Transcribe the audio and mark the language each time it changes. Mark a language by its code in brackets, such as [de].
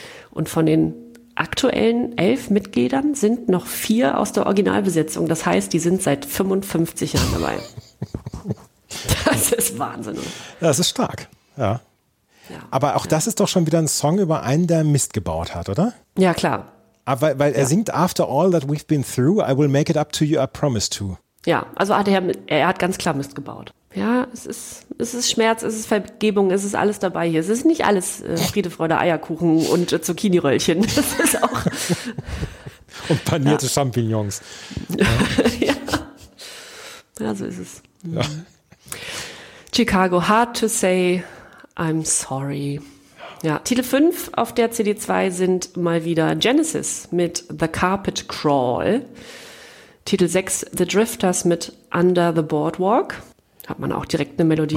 [de] Und von den aktuellen 11 Mitgliedern sind noch 4 aus der Originalbesetzung. Das heißt, die sind seit 55 Jahren dabei. Das ist Wahnsinn. Das ist stark, ja. Aber auch das ist doch schon wieder ein Song über einen, der Mist gebaut hat, oder? Ja, klar. Aber weil er singt, [en] after all that we've been through, I will make it up to you, I promise to. [de] Ja, also er hat ganz klar Mist gebaut. Ja, es ist Schmerz, es ist Vergebung, es ist alles dabei hier. Es ist nicht alles Friede, Freude, Eierkuchen und Zucchini-Röllchen. Das ist auch. Und panierte Champignons. Ja. Ja, so ist es. Ja. Chicago, Hard to Say I'm Sorry. Ja, Titel 5 auf der CD2 sind mal wieder Genesis mit The Carpet Crawl. Titel 6 The Drifters mit Under the Boardwalk. Hat man auch direkt eine Melodie.